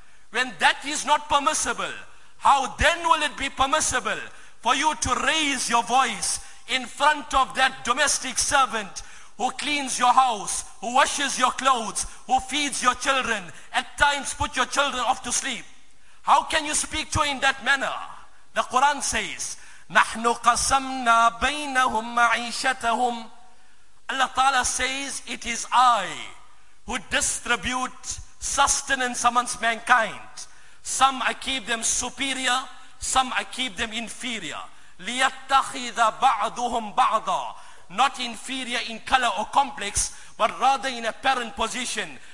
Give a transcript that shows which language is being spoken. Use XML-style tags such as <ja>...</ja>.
<en>When that is not permissible, how then will it be permissible for you to raise your voice in front of that domestic servant who cleans your house, who washes your clothes, who feeds your children, at times put your children off to sleep? How can you speak to in that manner? The Quran says,</en> <ar>نَحْنُ قَسَمْنَا بَيْنَهُمْ مَعِيشَتَهُمْ.</ar> <en>Allah Ta'ala says, it is I who distribute sustenance amongst mankind. Some I keep them superior, some I keep them inferior.</en> <ar>لِيَتَّخِذَ بَعْضُهُمْ بَعْضًا.</ar> <en>Not inferior in color or complex, but rather in apparent position.</en>